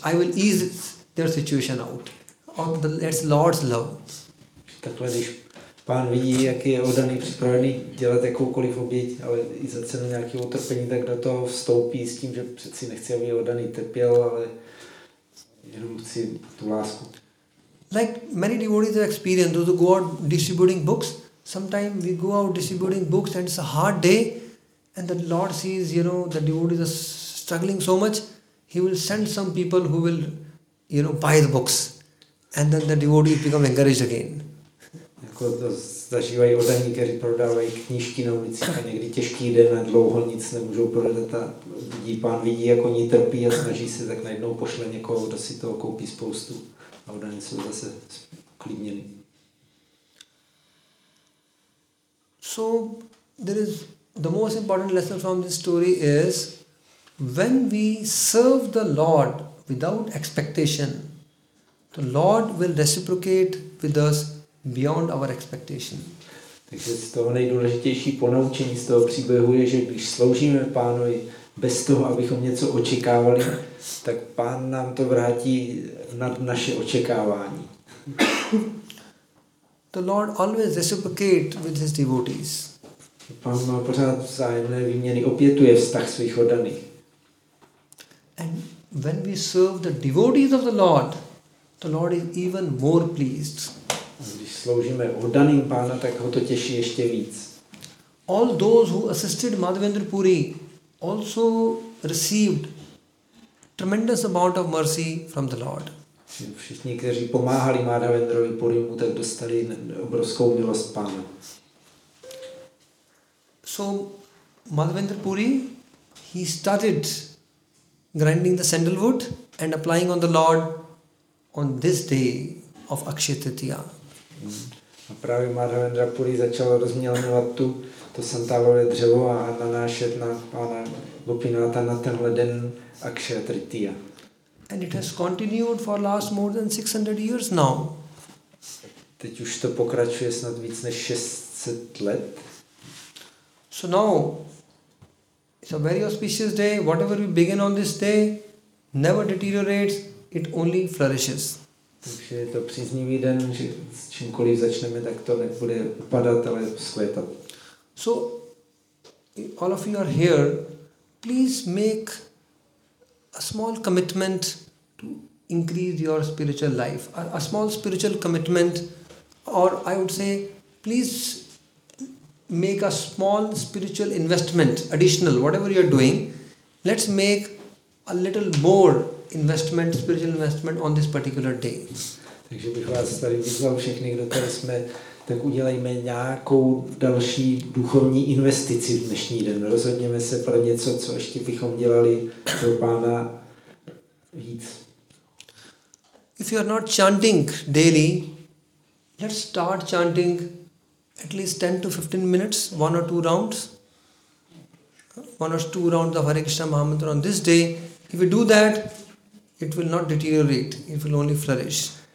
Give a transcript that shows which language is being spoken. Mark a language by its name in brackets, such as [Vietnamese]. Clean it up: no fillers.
[English] I will ease their situation out. That's Lord's love. [Czech] Takhle, když Pán vidí, jak je oddaný připravený dělat jakoukoliv oběť, ale i za cenu nějakého utrpení, tak do toho vstoupí s tím, že přeci nechci, aby oddaný trpěl, ale jenom chci tu lásku. [English] Like many devotees have experienced, those who go out distributing books, sometimes we go out distributing books and it's a hard day and the Lord sees, you know, the devotees are struggling so much, he will send some people who will, you know, buy the books and then the devotees become encouraged again. [Czech] Jako to zažívají oddaní, kteří prodávají knížky na ulici a někdy těžký den a dlouho nic nemůžou prodat a vidí, Pán vidí, jak oni trpí a snaží se, tak najednou pošle někoho, kdo si toho koupí spoustu. A oddaní jsou zase uklidněni. [English] So, there is the most important lesson from this story is when we serve the Lord without expectation, the Lord will reciprocate with us beyond our expectation. [Czech] Takže z toho nejdůležitější ponaučení z toho příběhu je, že když sloužíme Pánovi bez toho, abychom něco očekávali, tak Pán nám to vrátí nad naše očekávání. [English] The Lord always reciprocate with his devotees. [Czech] Pán má pořád vzájemné výměny, opětuje vztah svých oddaných. [English] And when we serve the devotees of the Lord is even more pleased. [Czech] Když sloužíme oddaným Pána, tak ho to těší ještě víc. [English] All those who assisted Madhavendra Puri also received tremendous amount of mercy from the Lord. [Czech] Všichni, kteří pomáhali Madhavendrovi Puri, mu tak dostali obrovskou milost Pána. [English] So Madhavendra Puri, he started grinding the sandalwood and applying on the Lord on this day of Akshaya Tritiya. [Czech] A právě Madhavendra Puri začal rozmělňovat tu to santálové dřevo a nanášet na Pána Gopinatha na tenhle den Akshaya Tritiya. [English] And it has continued for last more than 600 years now. [Czech] Teď už to pokračuje snad víc než 600 let. [English] So now It's a very auspicious day. Whatever we begin on this day, never deteriorates. It only flourishes. [Czech] Takže je to příznivý den, že s čímkoliv začneme, tak to nebude upadat, ale vzkvétat. [English] So, all of you are here, please make a small commitment to increase your spiritual life. A small spiritual commitment, or I would say, please make a small spiritual investment, additional, whatever you are doing. Let's make a little more investment, spiritual investment on this particular day. [Czech] Takže bych vás tady vyzval všechny, kdo tady jsme, tak udělejme nějakou další duchovní investici v dnešní den. Rozhodněme se pro něco, co ještě bychom dělali pro Pána víc. [English] If you are not chanting daily, let's start chanting at least 10 to 15 minutes, one or two rounds of Hare Krishna Mahamantra on this day. If you do that, it will not deteriorate, it will only flourish.